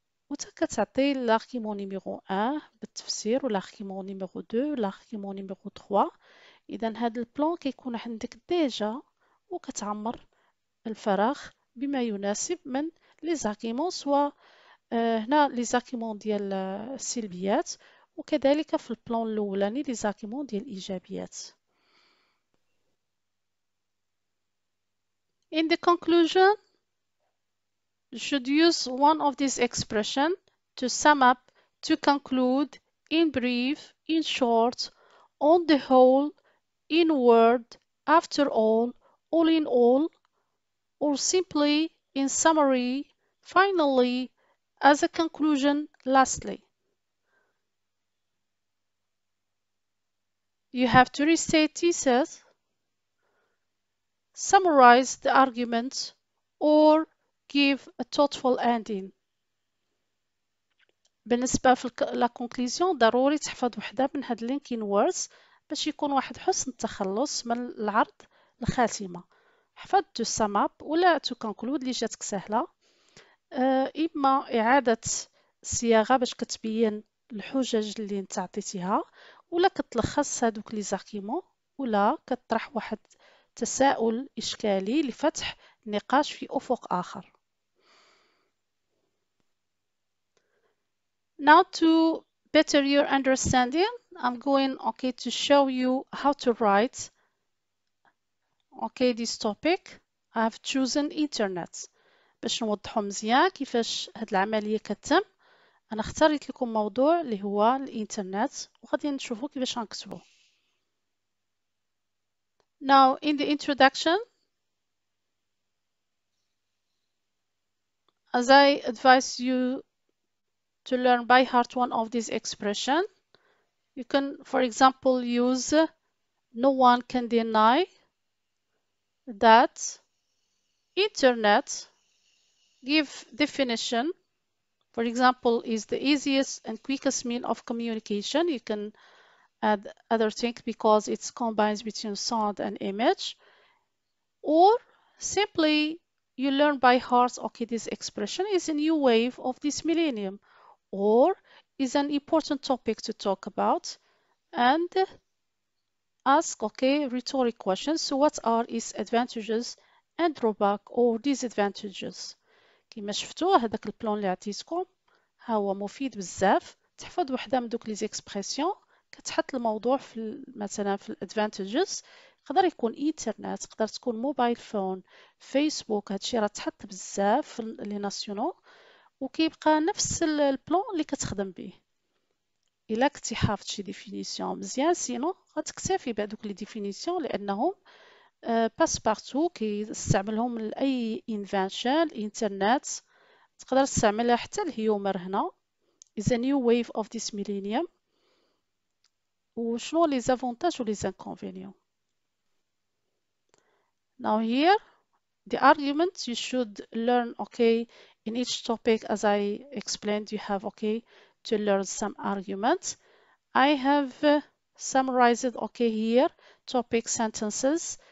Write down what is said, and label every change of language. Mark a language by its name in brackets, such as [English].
[Arabic] و كتعطي لاركيمون نيميرو 1 بالتفسير ولاركيمون نيميرو 2 ولاركيمون نيميرو 3 اذا هذا البلان كيكون عندك ديجا وكتعمر الفراغ بما يناسب من لي زاركيمون سوا هنا لي زاركيمون ديال السلبيات وكذلك في البلان الاولاني لي زاركيمون ديال الايجابيات [English] In the conclusion should use one of these expressions to sum up, to conclude, in brief, in short, on the whole, in word, after all in all, or simply, in summary, finally, as a conclusion, lastly. You have to restate thesis, summarize the argument, or give a thoughtful ending. [Arabic] بالنسبة في لا كونكليزيون ضروري تحفظ وحدة من هاد لينكين ووردز باش يكون واحد حسن التخلص من العرض الخاتمة. حفظ تو سام اب ولا تو كونكلود اللي جاتك سهلة. اما إعادة الصياغة باش كتبين الحجج اللي انت عطيتيها ولا كتلخص هادوك لي زاركيمون ولا كطرح واحد تساؤل إشكالي لفتح نقاش في أفق آخر. [English] Now to better your understanding, I'm going to show you how to write this topic. I have chosen internet. [Arabic] باش نوضحو مزيان كيفاش هاد العملية كتم انا اخترت لكم موضوع اللي هو الانترنت وغادي نشوفو كيفاش نكتبو. [English] Now in the introduction, as I advise you to learn by heart one of these expressions, you can, for example, use no one can deny that internet give definition, for example, is the easiest and quickest means of communication. You can add other things because it combines between sound and image, or simply you learn by heart, this expression is a new wave of this millennium, or is an important topic to talk about, and ask rhetoric questions. So what are its advantages and drawback or disadvantages? [Arabic] كما شفتوا هذاك البلون اللي عطيتكم ها هو مفيد بزاف. تحفظ وحده من دوك لي زيكسبرسيون كتحط الموضوع في مثلا في الادفانتجز, يقدر يكون انترنت, تقدر تكون موبايل فون, فيسبوك, هادشي راه تحط بزاف في لي ناسيونو وكيبقى نفس البلون اللي كتخدم به الا كنتي حافظ شي ديفينيسيون مزيان. سينو غتكتفي بهذوك لي ديفينيسيون لانهم باس بارتو كيستعملهم لاي انفنشن الانترنت. تقدر تستعملها حتى الهيومر هنا [English] is a new wave of this millennium. [Arabic] وشنو لي زافونتاج ولي زانكونفينيون. [English] Now here the argument you should learn in each topic as I explained you have to learn some arguments. I have summarized here topic sentences.